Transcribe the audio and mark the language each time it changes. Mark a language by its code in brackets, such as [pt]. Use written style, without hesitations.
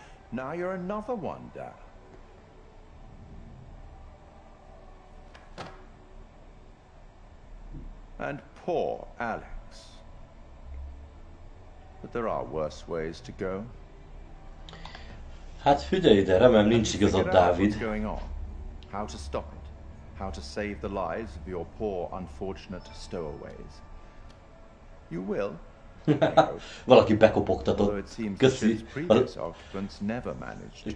[en] Now you're another one, Dad. And poor Alex. But there are worse ways to go. [hu] Hát figyelj ide, remélem nincs igazad, Dávid. [en] How to stop it? How to save the lives of your poor unfortunate stowaways? You will. [hu] Valaki bekopogtatott. Köszi. [en] Occupants never managed.